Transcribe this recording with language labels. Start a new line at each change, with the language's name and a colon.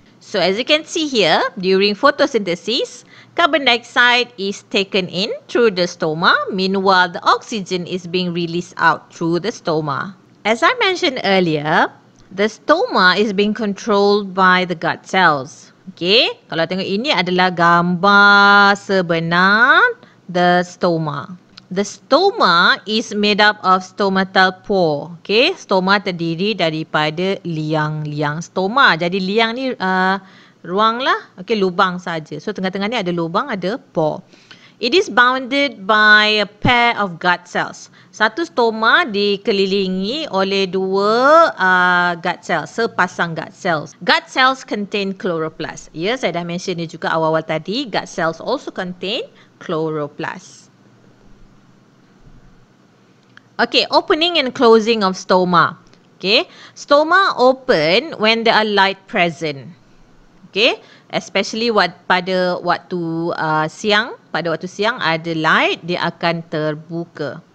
English: So as you can see here, during photosynthesis, carbon dioxide is taken in through the stoma. Meanwhile, the oxygen is being released out through the stoma. As I mentioned earlier, the stoma is being controlled by the gut cells.
Malay: Okay, kalau tengok ini adalah gambar sebenar
English: the stoma. The stoma is made up of stomatal pore.
Malay: Okay, stoma terdiri daripada liang-liang stoma. Jadi liang ni ruang lah. Okay, lubang saja. So tengah-tengah ni ada lubang, ada pore.
English: It is bounded by a pair of gut cells.
Malay: Satu stoma dikelilingi oleh dua gut cells, sepasang gut cells.
English: Gut cells contain chloroplast.
Malay: Ya, yeah, saya dah mention ni juga awal-awal tadi.
English: Gut cells also contain chloroplast. Okay, opening and closing of stoma. Okay, stoma open when there are light present.
Malay: Okay, especially pada waktu siang ada light, dia akan terbuka.